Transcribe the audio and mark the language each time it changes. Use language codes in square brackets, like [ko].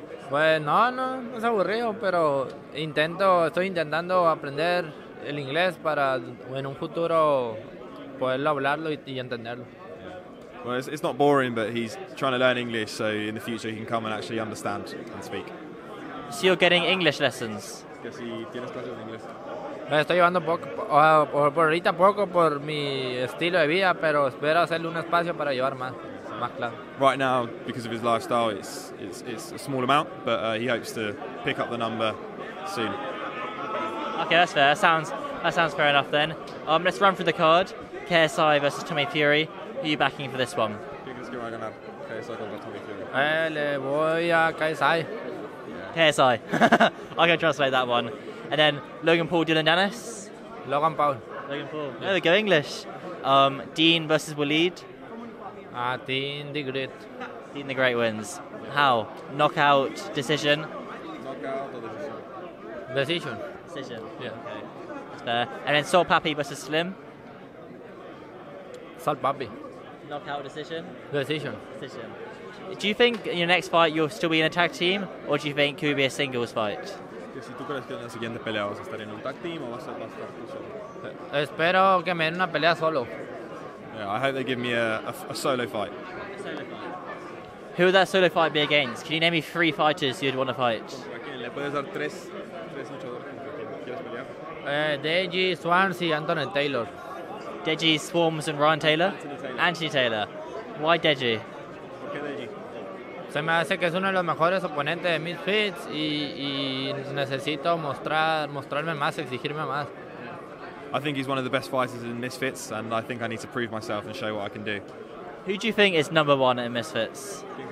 [es] Pues no es aburrido, pero estoy intentando aprender el inglés para en un futuro poderlo hablarlo y entenderlo. [en] Well, it's not boring, but he's trying to learn English so in the future he can come and actually understand and speak. So you're getting English lessons? [es] Que si tienes clases de inglés. Estoy llevando por ahorita poco por mi estilo de vida, pero espero hacerle un espacio para llevar más clases. [en] Right now, because of his lifestyle, it's a small amount, but he hopes to pick up the number soon. Okay, that's fair. That sounds fair enough then. Let's run through the card. KSI versus Tommy Fury. Who are you backing for this one? [es] Le voy a KSI. [en] KSI. I can translate that one. And then Logan Paul, Dillon, Danis. Logan Paul. Logan Paul. Yeah, they go English. Dean versus Waleed. Dean the Great. Dean the Great wins. How? Knockout, decision? Knockout or decision? Decision. Decision. Yeah. Okay. That's fair. And then Salt Papi versus Slim. Salt Papi. Knockout, decision? Decision. Decision. Do you think in your next fight you'll still be in a tag team? Or do you think it could be a singles fight? [es] Si tú crees que en la siguiente pelea vas a estar en un tag team o vas a estar tú solo. Espero que me den una pelea solo. [en] Yeah, I hope they give me a solo fight. Who would that solo fight be against? Can you name me three fighters you'd want to fight? [es] Le puedes dar tres luchadores contra quien quieres pelear. Deji, Swarms y Anthony Taylor. [en] Deji, Swarms and Ryan Taylor? Anthony Taylor. Why Deji? [es] ¿Por qué Deji? Se me hace que es uno de los mejores oponentes de Misfits y necesito mostrarme más, exigirme más. [en] I think he's one of the best fighters in Misfits and I think I need to prove myself and show what I can do. Who do you think is number one in Misfits?